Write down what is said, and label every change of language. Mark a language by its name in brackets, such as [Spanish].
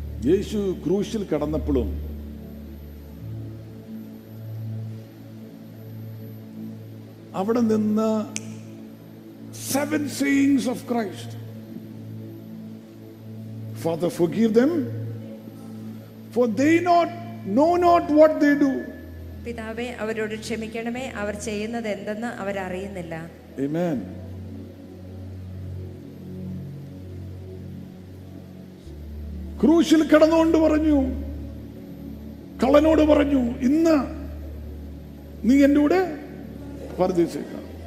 [Malayalam] യേശു ക്രൂശിൽ കടന്നപ്പോഴും അവിടെ നിന്ന് 7 sayings of Christ. [English] Father, forgive them, for they know not what they do. [Malayalam] പിതാവെ, അവരോട് ക്ഷമിക്കണമേ, അവർ ചെയ്യുന്നത് എന്തെന്ന് അവർ അറിയുന്നില്ല. ആമേൻ. ക്രൂശിൽ കടന്നുകൊണ്ട് പറഞ്ഞു, കള്ളനോട് പറഞ്ഞു, ഇന്ന് നീ എന്റെ കൂടെ പരദേശിക്കണം.